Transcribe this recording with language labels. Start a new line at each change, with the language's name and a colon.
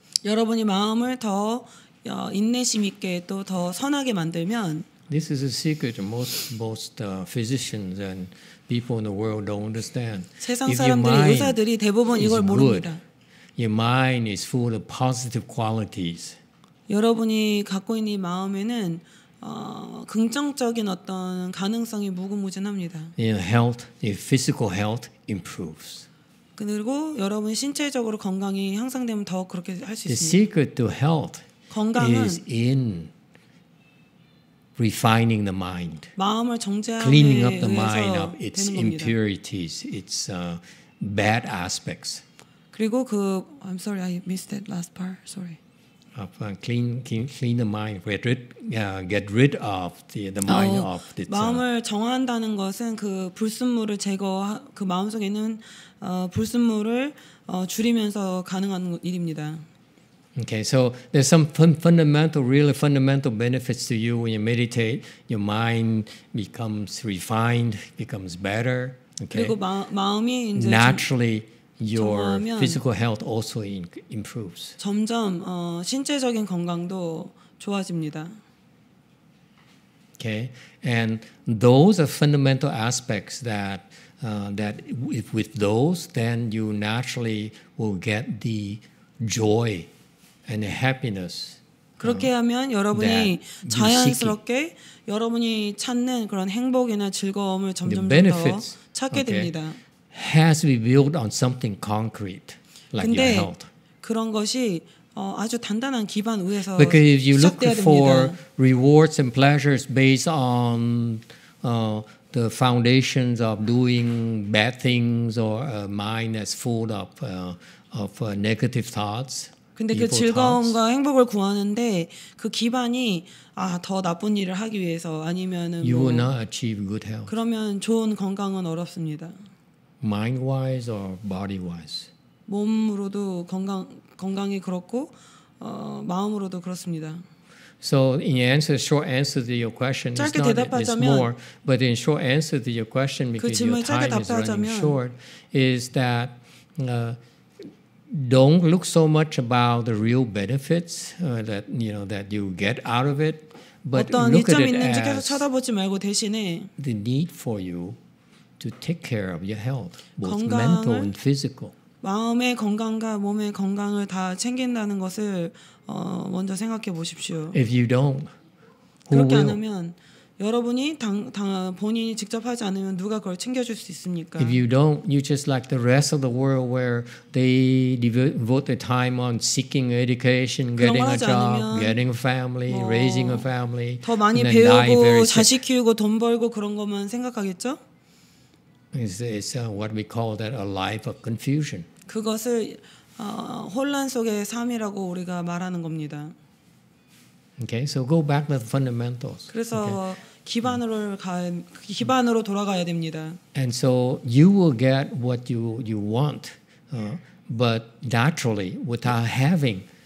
Korean: 여러분이 마음을 더 인내심 있게 또 더 선하게 만들면
English: This is a secret most physicians and people in the world don't understand.
Korean: 세상 사람들이 의사들이 대부분 이걸 모릅니다.
English: Your mind is full of positive qualities.
Korean: 여러분이 갖고 있는 이 마음에는 긍정적인 어떤 가능성이 무궁무진합니다.
English: Your health, your physical health improves.
Korean: 그리고 여러분 신체적으로 건강이 향상되면 더 그렇게 할 수 있습니다.
English: The secret to health
Korean: 건강은
English: is in refining the mind,
Korean: 마음을 정제함에
English: cleaning up the mind of its impurities, its bad aspects.
Korean: 그리고 그
English: I'm sorry, I missed that last part. Sorry. Clean the mind. Get rid of the mind of the
Korean: 마음을 정화한다는 것은 그 불순물을 제거 그 마음 속에 있는 불순물을 줄이면서 가능한 일입니다.
English: Okay, so there's some really fundamental benefits to you when you meditate. Your mind becomes refined, becomes better. Okay.
Korean: 그리고 마음이 이제
English: naturally your physical health also improves.
Korean: 점점 신체적인 건강도 좋아집니다.
English: Okay, and those are fundamental aspects that that if with those, then you naturally will get the joy. And the happiness.
Korean: 그렇게 하면 여러분이 자연스럽게 여러분이 찾는 그런 행복이나 즐거움을 점점 더 찾게 됩니다.
English: Has to be built on something concrete, like your health.
Korean: 그런 것이 아주 단단한 기반 위에서
English: Because if you look for rewards and pleasures based on the foundations of doing bad things or a mind that's full of negative thoughts.
Korean: 근데 그 즐거움과 행복을 구하는데 그 기반이 더 나쁜 일을 하기 위해서 아니면은
English: You will not achieve good health.
Korean: 그러면 좋은 건강은 어렵습니다.
English: Mind wise or body wise.
Korean: 몸으로도 건강이 그렇고 마음으로도 그렇습니다.
English: So in answer, short answer to your question, it's not it's more, but in short answer to your question, because your time is running short, is that don't look so much about the real benefits that you know that you get out of it, but look at it as
Korean: 계속 쳐다보지 말고 대신에
English: the need for you to take care of your health, both mental and physical.
Korean: 마음의 건강과 몸의 건강을 다 챙긴다는 것을 먼저 생각해 보십시오.
English: If you don't,
Korean: 그렇게 안 하면 여러분이 당 본인이 직접 하지 않으면 누가 그걸 챙겨줄 수 있습니까?
English: If you don't, you just like the rest of the world where they devote their time on seeking education, getting a job, getting a family, raising a family,
Korean: 더 많이 배우고 자식 키우고 돈 벌고 그런 것만 생각하겠죠?
English: It's what we call that a life of confusion.
Korean: 그것을 혼란 속의 삶이라고 우리가 말하는 겁니다.
English: Okay, so go back to the fundamentals.
Korean: 그래서 기반으로 돌아가야 됩니다.
English: And so you will get what you want, but naturally without having.